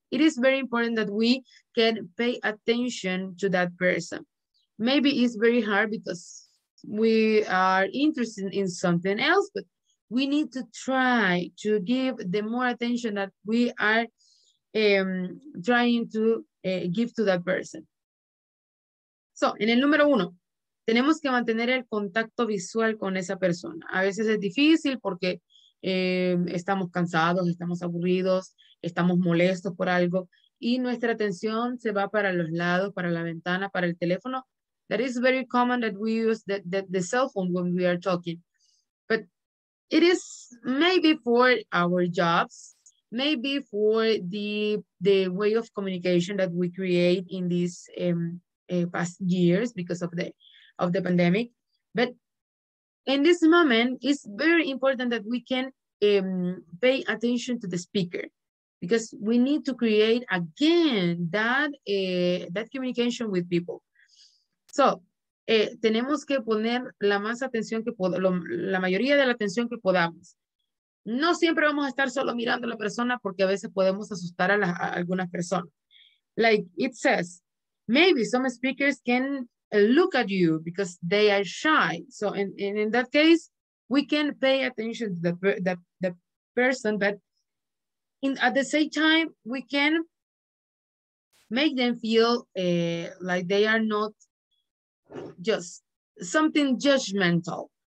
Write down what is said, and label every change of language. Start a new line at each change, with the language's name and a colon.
English: It is very important that we can pay attention to that person. Maybe it's very hard because we are interested in something else, but we need to try to give the more attention that we are trying to give to that person.
Spanish: So, en el número uno, tenemos que mantener el contacto visual con esa persona. A veces es difícil porque estamos cansados, estamos aburridos, estamos molestos por algo y nuestra atención se va para los lados, para la ventana, para el teléfono.
English: That is very common that we use the cell phone when we are talking. But it is maybe for our jobs, maybe for the way of communication that we create in these past years because of the pandemic. But in this moment, it's very important that we can pay attention to the speaker because we need to create again that communication with people.
Spanish: So, tenemos que poner la más atención que la mayoría de la atención que podamos. No siempre vamos a estar solo mirando a la persona porque a veces podemos asustar a algunas personas.
English: Like it says, maybe some speakers can look at you because they are shy. So in that case, we can pay attention to the person, but at the same time, we can make them feel like they are not just something judgmental.